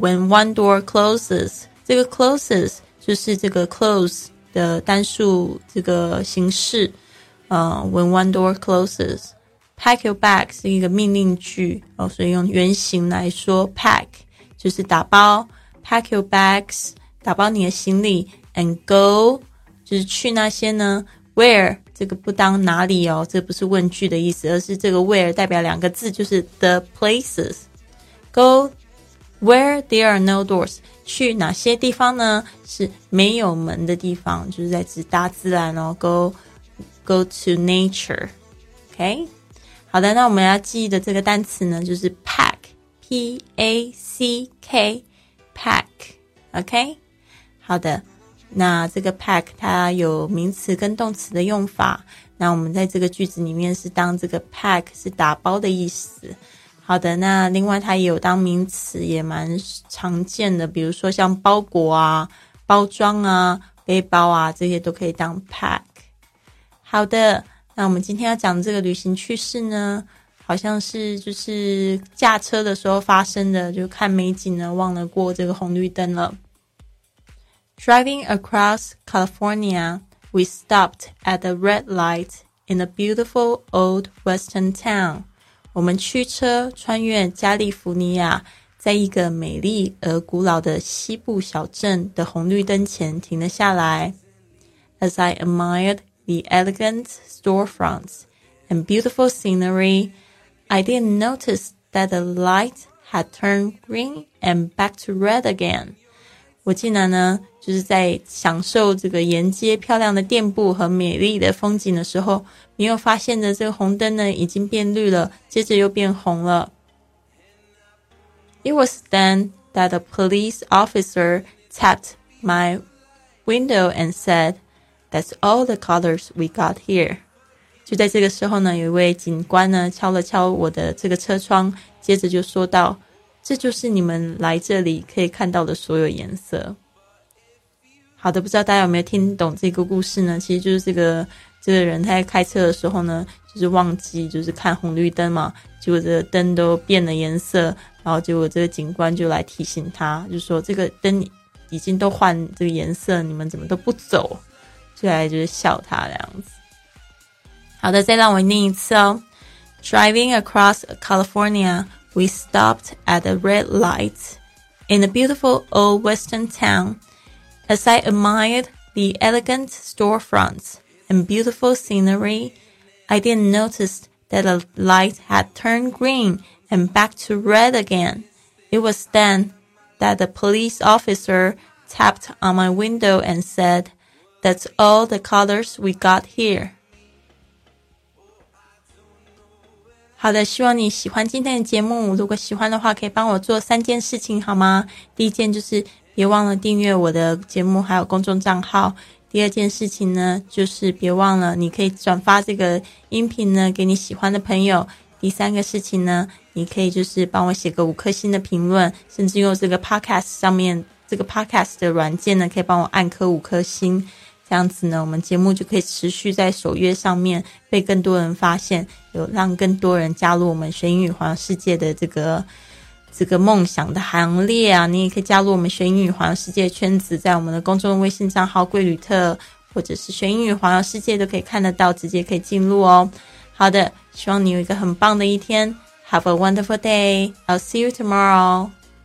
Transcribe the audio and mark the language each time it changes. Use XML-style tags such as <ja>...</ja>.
<en>When one door closes,</en> <zh>这个 closes 就是这个 close 的单数这个形式、</zh> <en>When one door closes, pack your bag</en> <zh>是一个命令句、哦、所以用原形来说 pack 就是打包，</zh> <en>pack your bags</en> <zh>打包你的行李，</zh> <en>and go</en> <zh>就是去那些呢 where这个不当哪里哦，这不是问句的意思，而是这个 where 代表两个字，就是</zh> <en>the places. Go where there are no doors.</en> <zh>去哪些地方呢？是没有门的地方，就是在指大自然哦。</zh> <en>Go to nature. OK?</en> <zh>好的，那我们要记的这个单词呢，就是 pack.</zh> <en>P-A-C-K. Pack. OK?</en> <zh>好的。那这个 pack 它有名词跟动词的用法，那我们在这个句子里面是当这个 pack 是打包的意思。好的，那另外它也有当名词，也蛮常见的，比如说像包裹啊、包装啊、背包啊，这些都可以当 pack。好的，那我们今天要讲这个旅行趣事呢，好像是就是驾车的时候发生的，就看美景呢忘了过这个红绿灯了。</zh> <en>Driving across California, we stopped at a red light in a beautiful old western town.</en> <zh>我们驱车穿越加利福尼亚，在一个美丽而古老的西部小镇的红绿灯前停了下来。</zh> <en>As I admired the elegant storefronts and beautiful scenery, I didn't notice that the light had turned green and back to red again.</en> <zh>我竟然呢就是在享受这个沿街漂亮的店铺和美丽的风景的时候，没有发现的这个红灯呢已经变绿了，接着又变红了。</zh> <en>It was then that a police officer tapped my window and said, That's all the colors we got here.</en> <zh>就在这个时候呢，有一位警官呢敲了敲我的这个车窗，接着就说道，这就是你们来这里可以看到的所有颜色。好的，不知道大家有没有听懂这个故事呢？其实就是这个人他在开车的时候呢，就是忘记就是看红绿灯嘛，结果这个灯都变了颜色，然后结果这个警官就来提醒他，就说这个灯已经都换这个颜色，你们怎么都不走，就来就是笑他这样子。好的，再让我念一次哦。</zh> <en>Driving across California, we stopped at a red light in a beautiful old western town. As I admired the elegant storefronts and beautiful scenery, I didn't notice that the light had turned green and back to red again. It was then that the police officer tapped on my window and said, "That's all the colors we got here."</en> <zh>好的，希望你喜欢今天的节目。如果喜欢的话，可以帮我做三件事情好吗？第一件就是别忘了订阅我的节目还有公众账号。第二件事情呢，就是别忘了你可以转发这个音频呢给你喜欢的朋友。第三个事情呢，你可以就是帮我写个五颗星的评论，甚至用这个 podcast 上面这个 podcast 的软件呢，可以帮我按颗五颗星。这样子呢，我们节目就可以持续在首页上面被更多人发现，有让更多人加入我们学英语环游世界的这个梦想的行列啊！你也可以加入我们学英语环游世界的圈子，在我们的公众微信账号桂旅特或者是学英语环游世界都可以看得到，直接可以进入哦。好的，希望你有一个很棒的一天。</zh> <en>Have a wonderful day. I'll see you tomorrow.</en>